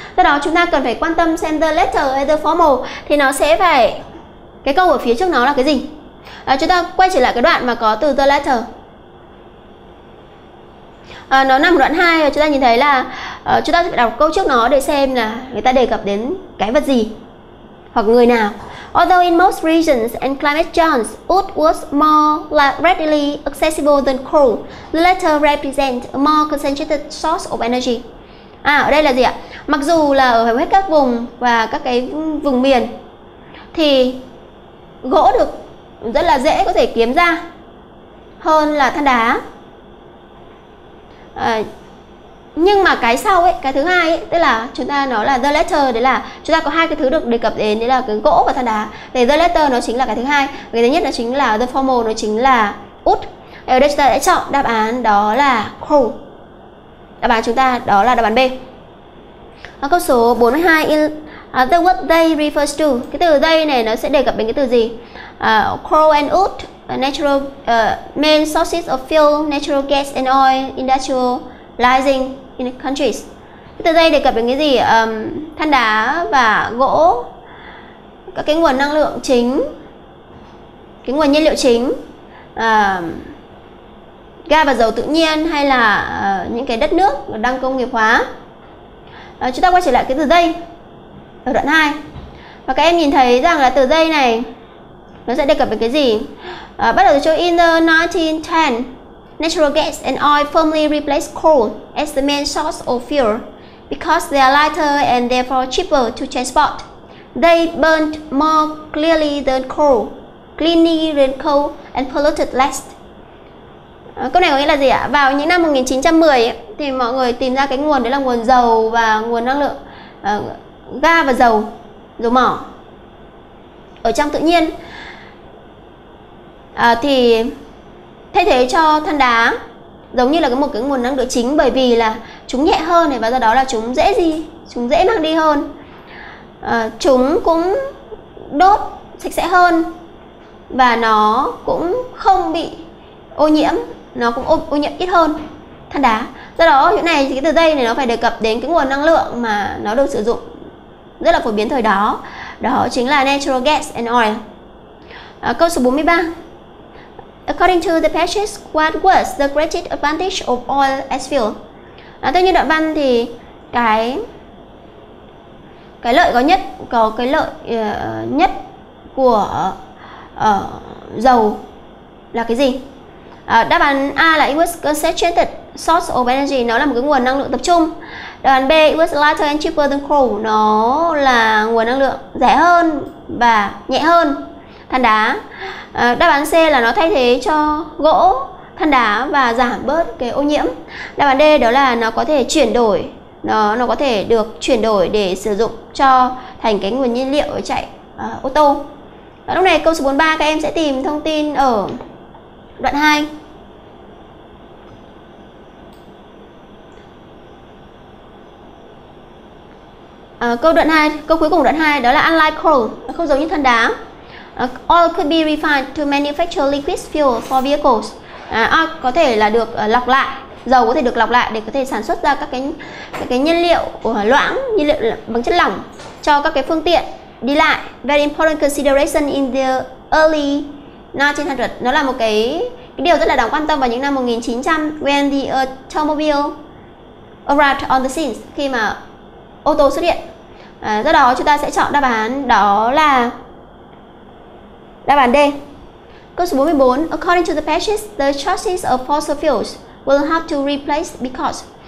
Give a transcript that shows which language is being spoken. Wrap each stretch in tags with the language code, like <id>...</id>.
<vi>Do đó chúng ta cần phải quan tâm xem the letter hay the formal thì nó sẽ phải cái câu ở phía trước nó là cái gì. Chúng ta quay trở lại cái đoạn mà có từ the letter. Nó nằm ở đoạn 2, và chúng ta nhìn thấy là chúng ta sẽ phải đọc câu trước nó để xem là người ta đề cập đến cái vật gì hoặc người nào.</vi> <en>Although in most regions and climate zones, wood was more readily accessible than coal, the latter represents a more concentrated source of energy.</en> <vi>Ở đây là gì ạ? Mặc dù là ở hầu hết các vùng và các cái vùng miền thì gỗ được rất là dễ có thể kiếm ra hơn là than đá. Nhưng mà cái sau ấy, cái thứ hai ấy, tức là chúng ta nói là the letter, đấy là chúng ta có hai cái thứ được đề cập đến, đấy là cái gỗ và than đá. Thì the letter nó chính là cái thứ hai, cái thứ nhất nó chính là the formal, nó chính là wood. Ở đây chúng ta sẽ chọn đáp án, đó là coal. Đáp án chúng ta đó là đáp án B. Câu số 42,</vi> <en>The word they refers to.</en> <vi>Cái từ they này nó sẽ đề cập đến cái từ gì?</vi> <en>Coal and wood, natural main sources of fuel, natural gas and oil, industrializing in countries.</en> <vi>Cái từ they đề cập đến cái gì? Than đá và gỗ, các cái nguồn năng lượng chính, cái nguồn nhiên liệu chính, ga và dầu tự nhiên, hay là những cái đất nước đang công nghiệp hóa. Chúng ta quay trở lại cái từ they ở đoạn 2. Và các em nhìn thấy rằng là từ they này nó sẽ đề cập đến cái gì? Bắt đầu từ chỗ</vi> <en>in the 1910, natural gas and oil firmly replaced coal as the main source of fuel because they are lighter and therefore cheaper to transport. They burned more clearly than coal, cleaner than coal and polluted less.</en> <vi>Câu này có nghĩa là gì ạ? Vào những năm 1910 ấy, thì mọi người tìm ra cái nguồn đấy là nguồn dầu và nguồn năng lượng ga và dầu, dầu mỏ ở trong tự nhiên, thì thay thế cho than đá giống như là cái một cái nguồn năng lượng chính, bởi vì là chúng nhẹ hơn và do đó là chúng dễ gì? Chúng dễ mang đi hơn, chúng cũng đốt sạch sẽ hơn và nó cũng không bị ô nhiễm, nó cũng ô nhiễm ít hơn than đá. Do đó chỗ này thì cái từ dây này nó phải đề cập đến cái nguồn năng lượng mà nó được sử dụng rất là phổ biến thời đó, đó chính là</vi> <en>natural gas and oil.</en> <vi>Câu số 43.</vi> <en>According to the passage, what was the greatest advantage of oil as fuel?</en> <vi>Theo như đoạn văn thì cái lợi có nhất, có cái lợi nhất của dầu là cái gì? Đáp án A là</vi> <en>it was concentrated source of energy,</en> <vi>nó là một cái nguồn năng lượng tập trung. Đáp án B,</vi> <en>it was lighter and cheaper than coal,</en> <vi>nó là nguồn năng lượng rẻ hơn và nhẹ hơn than đá. Đáp án C là nó thay thế cho gỗ, than đá và giảm bớt cái ô nhiễm. Đáp án D đó là nó có thể chuyển đổi, nó có thể được chuyển đổi để sử dụng cho thành cái nguồn nhiên liệu chạy ô tô. Và lúc này câu số 43 các em sẽ tìm thông tin ở đoạn 2. Câu đoạn 2, câu cuối cùng đoạn 2 đó là</vi> <en>unlike coal,</en> <vi>không giống như than đá.</vi> <en>Oil could be refined to manufacture liquid fuel for vehicles.</en> <vi>Oil có thể là được lọc lại, dầu có thể được lọc lại để có thể sản xuất ra các cái nhiên liệu của loãng, nhiên liệu bằng chất lỏng cho các cái phương tiện đi lại.</vi> <en>Very important consideration in the early 1900.</en> <vi>Nó là một cái điều rất là đáng quan tâm vào những năm 1900</vi> <en>when the automobile arrived on the scene,</en> <vi>khi mà ô tô xuất hiện. Do đó chúng ta sẽ chọn đáp án đó là đáp án D. Câu số 44.</vi> <en>According to the passage, the sources of fossil fuels will have to replace because.</en>